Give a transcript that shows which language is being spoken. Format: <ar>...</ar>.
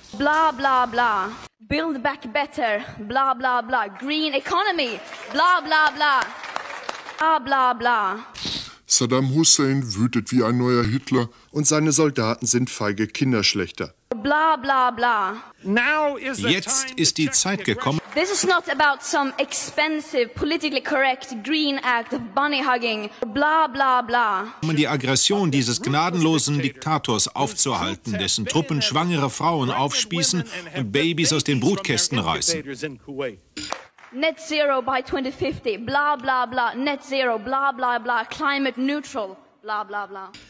<en>Bla bla bla. Build back better. Bla bla bla. Green economy. Bla bla bla. Bla bla bla.</en> <de>Saddam Hussein wütet wie ein neuer Hitler. Und seine Soldaten sind feige Kinderschlechter. Bla bla bla. Jetzt ist die Zeit gekommen.</de> <en>This is not about some expensive, politically correct green act of bunny hugging. Bla bla bla.</en> <de>Um die Aggression dieses gnadenlosen Diktators aufzuhalten, dessen Truppen schwangere Frauen aufspießen und Babys aus den Brutkästen reißen.</de> <en>Net zero by 2050. Bla bla bla. Net zero. Bla bla bla. Climate neutral. Bla bla bla.</en>